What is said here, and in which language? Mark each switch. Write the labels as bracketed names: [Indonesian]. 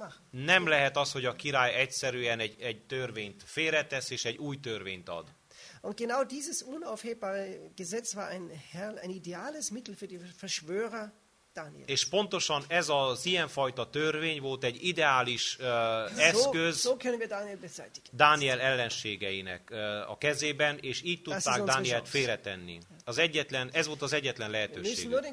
[Hungarian] Nem lehet az, hogy a király egyszerűen egy törvényt félretesz és egy új törvényt ad. [German] Und genau dieses unaufhebbare Gesetz war ein ideales Mittel für die Verschwörer. [Hungarian] És pontosan ez az ilyenfajta törvény volt egy ideális eszköz Dániel ellenségeinek a kezében, és így tudták Dánielt félretenni. Ez volt az egyetlen lehetőség.